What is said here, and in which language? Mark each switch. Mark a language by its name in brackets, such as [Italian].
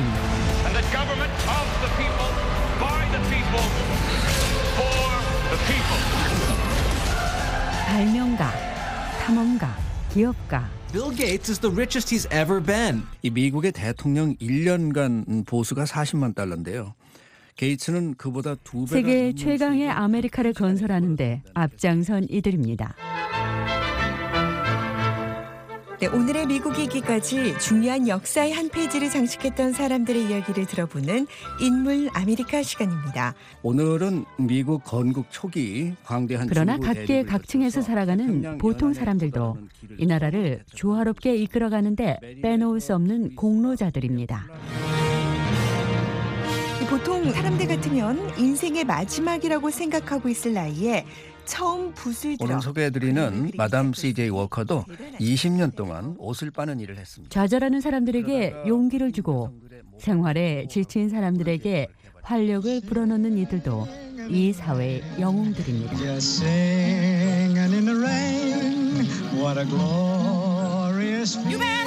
[English] And the government of the people, by the people, for the people. [Korean] 발명가, 탐험가, 기업가. [English] Bill Gates is the richest he's ever been. [Korean] 이 미국의 대통령 1년간 보수가 40만 달러인데요. 게이츠는 그보다 두 배가 세계 최강의 아메리카를 건설하는데 앞장선 이들입니다. 네, 오늘의 미국이기까지 중요한 역사의 한 페이지를 장식했던 사람들의 이야기를 들어보는 인물 아메리카 시간입니다. 오늘은 미국 건국 초기 광대한 그러나 각계 각층에서 살아가는 보통 사람들도 이 나라를 조화롭게 이끌어가는데 빼놓을 수 없는 공로자들입니다. 보통 사람들 같으면 인생의 마지막이라고 생각하고 있을 나이에 처음 붓을 들어 오늘 소개해드리는 마담 CJ 워커도 20년 동안 옷을 빠는 일을 했습니다. 좌절하는 사람들에게 용기를 주고 생활에 지친 사람들에게 활력을 불어넣는 이들도 이 사회의 영웅들입니다. [English] Singing in the rain, what a glorious view.